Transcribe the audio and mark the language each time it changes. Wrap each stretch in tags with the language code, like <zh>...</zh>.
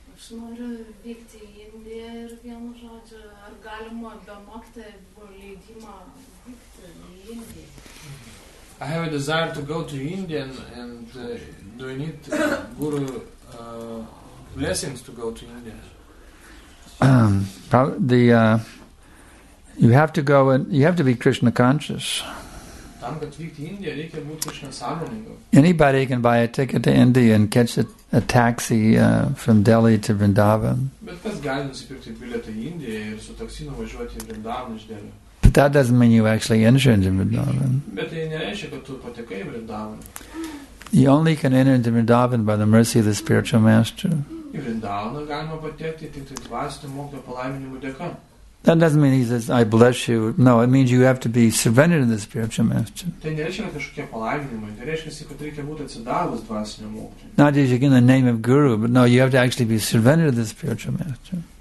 <en>I have a desire to go to India and do you need guru blessings to go to India? You have to go and you have to be Krishna conscious.</en> <lt>Tam, kad vykti į Indiją, reikia būti Krishna sąmoningo.</lt> <en>Anybody can buy a ticket to India and catch a taxi from Delhi to Vrindavan.</en> <lt>Bet kas gali nusipirkti bilietą į Indiją ir su taksi nuvažiuoti į Vrindavan iš Delhi?</lt> <en>But that doesn't mean you actually enter into Vrindavan.</en> <lt>Bet tai nereiškia, kad tu patekai į Vrindavan.</lt> <en>You only can enter into Vrindavan by the mercy of the spiritual master.</en> <lt>Į Vrindavaną galima patekti tik tai dvasinio mokytojo palaiminimo dėka.</lt> <en>That doesn't mean he says, I bless you. No, it means you have to be surrendered to the spiritual master. Not just in the name of guru, but no, you have to actually be surrendered to the spiritual master.</en>